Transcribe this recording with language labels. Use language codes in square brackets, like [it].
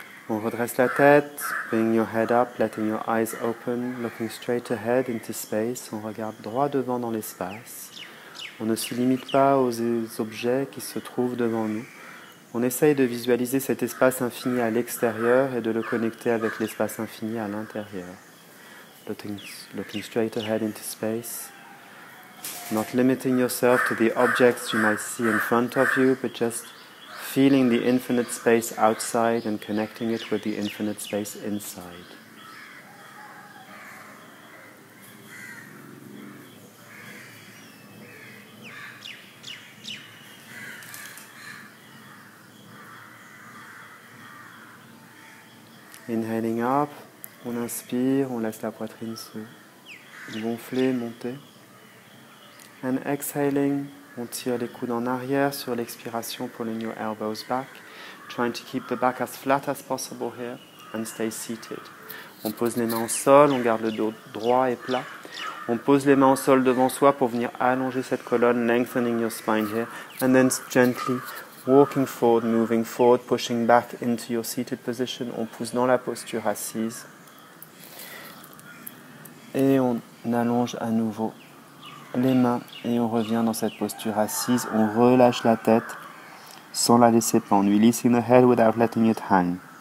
[fr] On redresse la tête, [en] bring your head up, letting your eyes open, looking straight ahead into space. [fr] On regarde droit devant dans l'espace. On ne se limite pas aux objets qui se trouvent devant nous. On essaye de visualiser cet espace infini à l'extérieur et de le connecter avec l'espace infini à l'intérieur. [en] Looking straight ahead into space, not limiting yourself to the objects you might see in front of you, but just feeling the infinite space outside and connecting it with the infinite space inside. Inhaling up. [fr] On inspire, on laisse la poitrine se gonfler, monter. [en] And exhaling, [fr] on tire les coudes en arrière sur l'expiration, [en] pulling your elbows back. Trying to keep the back as flat as possible here and stay seated. [fr] On pose les mains au sol, on garde le dos droit et plat. On pose les mains au sol devant soi pour venir allonger cette colonne, [en] lengthening your spine here. And then gently walking forward, moving forward, pushing back into your seated position. [fr] On pousse dans la posture assise. Et on allonge à nouveau les mains et on revient dans cette posture assise. On relâche la tête sans la laisser pendre. [en] Releasing the head without letting it hang.